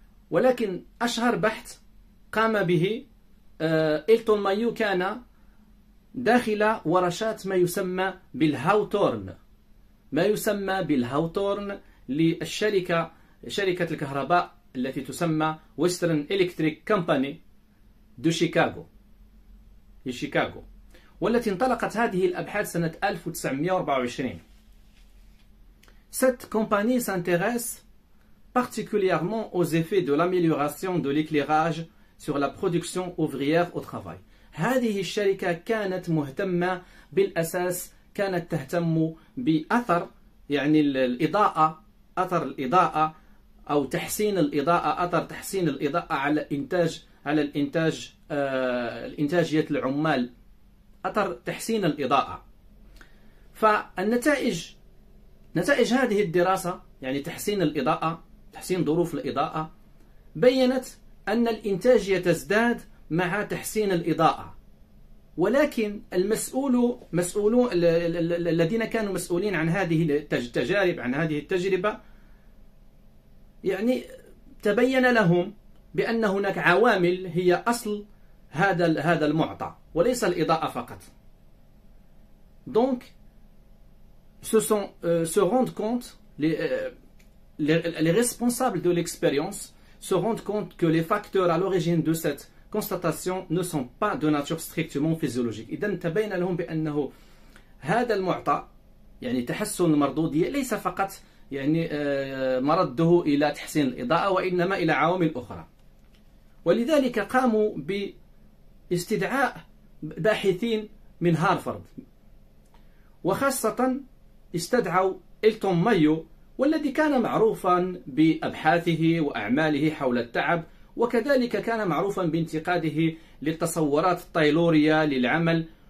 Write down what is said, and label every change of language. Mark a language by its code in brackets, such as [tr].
[ar] ولكن أشهر بحث قام به إلتون مايو كان داخل ورشات ما يسمى بالهاوتورن، ما يسمى بالهاوتورن للشركة، شركة الكهرباء التي تسمى ويسترن إلكتريك كومباني دو شيكاغو، في شيكاغو، والتي انطلقت هذه الأبحاث سنة 1924. [fr] Cette compagnie s'intéresse particulièrement aux effets de l'amélioration de l'éclairage sur la production ouvrière au travail. [ar] هذه الشركة كانت مهتمة بالأساس، كانت تهتم بأثر يعني الإضاءة، أثر الإضاءة أو تحسين الإضاءة، أثر تحسين الإضاءة على إنتاج، على الإنتاج الإنتاجية العمال، أثر تحسين الإضاءة. فالنتائج، نتائج هذه الدراسة يعني تحسين الإضاءة، تحسين ظروف الإضاءة، بيّنت أن الإنتاجية تزداد مع تحسين الإضاءة. ولكن المسؤول، مسؤولو الذين كانوا مسؤولين عن هذه التجارب، عن هذه التجربة، يعني تبين لهم بأن هناك عوامل هي أصل هذا المعطى وليس الإضاءة فقط. [fr] Donc se rendent compte les responsables de l'expérience se rendent compte que les facteurs à l'origine de cette constatation ne sont pas de nature strictement physiologique. [ar] إذن تبين لهم بأنه هذا المعطى يعني تحسن المردودية ليس فقط يعني مرده إلى تحسين الإضاءة وإنما إلى عوامل أخرى. ولذلك قاموا باستدعاء باحثين من هارفارد، وخاصة استدعوا إلتون مايو والذي كان معروفا بأبحاثه وأعماله حول التعب، وكذلك كان معروفا بانتقاده للتصورات التايلورية للعمل،